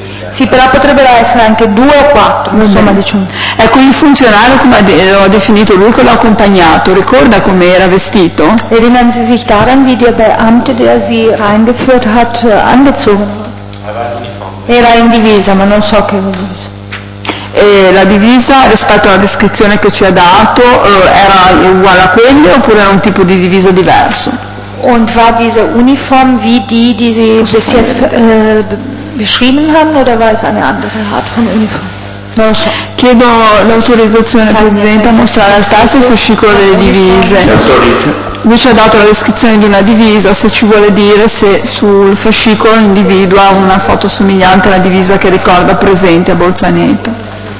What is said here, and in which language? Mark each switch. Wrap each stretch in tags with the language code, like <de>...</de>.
<it>Sì, però potrebbero essere anche due o quattro, insomma, diciamo. Ecco, il funzionario, come ha definito lui, che l'ha accompagnato, ricorda come era vestito?</it> <de>Erinnern Sie sich daran, wie der Beamte, der Sie reingeführt hat, angezogen war?</de> <it>Era in divisa, ma non so che cosa. E la divisa rispetto alla descrizione che ci ha dato era uguale a quelle oppure era un tipo di divisa diverso?</it> <de>Und war diese Uniform wie die Sie bis jetzt beschrieben haben oder war es eine andere Art von Uniform?</de> <it>Non lo so. Chiedo l'autorizzazione, Presidente, a mostrare al tasto il fascicolo delle divise. Lui ci ha dato la descrizione di una divisa, se ci vuole dire se sul fascicolo individua una foto somigliante alla divisa che ricorda presente a Bolzaneto.</it>